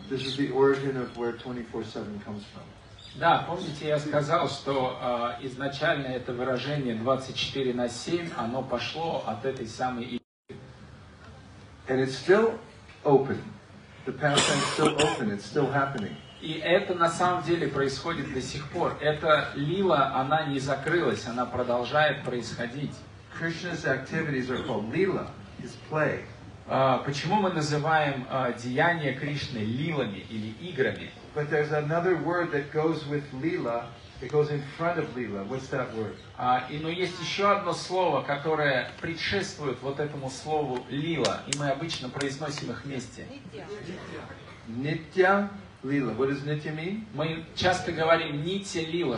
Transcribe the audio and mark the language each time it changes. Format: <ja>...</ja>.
<en>This is the origin of where 24/7 comes from.</en> <ru>Да, помните, я сказал, что изначально это выражение 24/7, оно пошло от этой самой идеи.</ru> <en>And it's still open. The past tense still open. It's still happening.</en> <ru>И это на самом деле происходит до сих пор. Эта лила, она не закрылась, она продолжает происходить.</ru> <en>Krishna's activities are called lila, his play.</en> <ru>Почему мы называем деяния Кришны лилами или играми?</ru> <en>But there's another word that goes with lila. It goes in front of lila. What's that word?</en> <ru>Но есть еще одно слово, которое предшествует вот этому слову лила, и мы обычно произносим их вместе.</ru> <en>Nitya lila. What does nitya mean?</en> <ru>Мы часто говорим нитя лила.</ru>